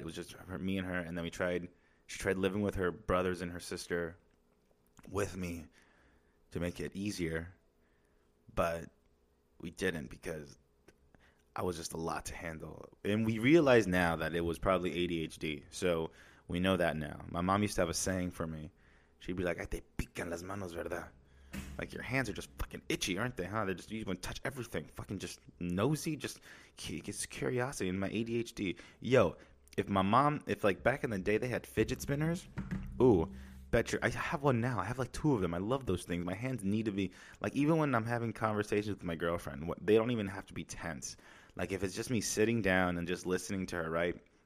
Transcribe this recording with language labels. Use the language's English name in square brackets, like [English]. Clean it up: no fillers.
[English] It was just her, me and her. And then she tried living with her brothers and her sister with me to make it easier. But we didn't because I was just a lot to handle. And we realize now that it was probably ADHD. So we know that now. My mom used to have a saying for me. She'd be like, [Spanish] "Ay, te pican las manos, ¿verdad?" [English] Like, your hands are just fucking itchy, aren't they, huh? They're just, you want to touch everything. Fucking just nosy, just gets curiosity in my ADHD. Yo, if like, back in the day they had fidget spinners, ooh, I have one now. I have, like, two of them. I love those things. My hands need to be, like, even when I'm having conversations with my girlfriend, they don't even have to be tense. Like, if it's just me sitting down and just listening to her, right,